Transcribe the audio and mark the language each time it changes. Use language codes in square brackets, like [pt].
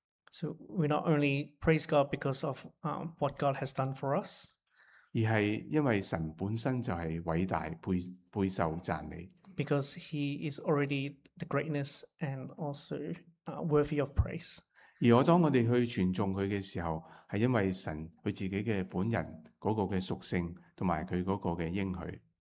[en] So we not only praise God because of what God has done for us. [zh] 而是因为神本身就是伟大，备受赞美。 [en] Because he is already the greatness and also worthy of praise. [zh] 而我当我们去传颂他的时候，是因为神他自己的本人那个的属性和他那个的应许。